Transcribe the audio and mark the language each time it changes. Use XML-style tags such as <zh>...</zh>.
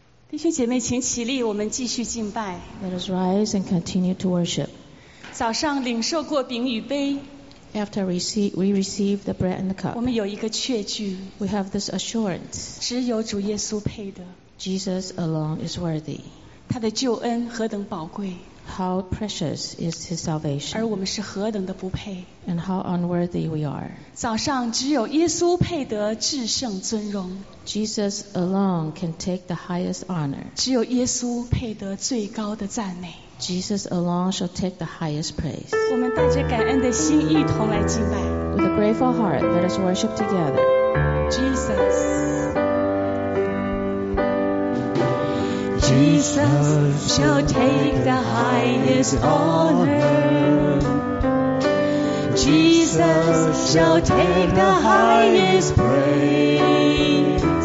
<zh>弟兄姐妹请起立，我们继续敬拜。</zh> <en>Let us rise and continue to worship.</en> <zh>早上领受过饼与杯。</zh> <en>After we receive the bread and the cup,</en> <zh>我们有一个确据。</zh> <en>We have this assurance.</en> <zh>只有主耶稣配的。</zh> <en>Jesus alone is worthy.</en> <zh>他的救恩何等宝贵。</zh> <en>How precious is his salvation.</en> <zh>而我们是何等的不配。</zh> <en>And how unworthy we are.</en> <zh>早上只有耶稣配得至圣尊荣。</zh> <en>Jesus alone can take the highest honor.</en> <zh>只有耶稣配得最高的赞美。</zh> <en>Jesus alone shall take the highest praise.</en> <zh>我们带着感恩的心一同来敬拜。</zh> <en>With a grateful heart, let us worship together. Jesus. Jesus shall take the highest honor. Jesus shall take the highest praise.</en>